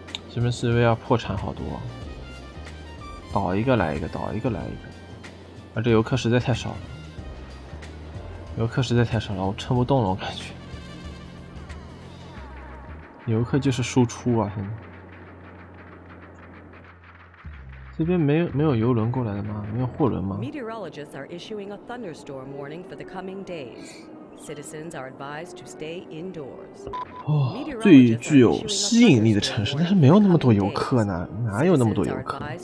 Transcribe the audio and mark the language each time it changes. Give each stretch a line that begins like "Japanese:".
Chinese: 这边是不是要破产好多？倒一个来一个，倒一个来一个。啊，这游客实在太少了，游客实在太少了，我撑不动了，我感觉。游客就是输出啊，现在。这边没有游轮过来的吗？没有货轮吗？
English: Meteorologists are issuing a thunderstorm warning for the coming days. Citizens are advised to stay indoors.
Chinese: 哦，最具有吸引力的城市，但是没有那么多游客呢，哪有那么多游客？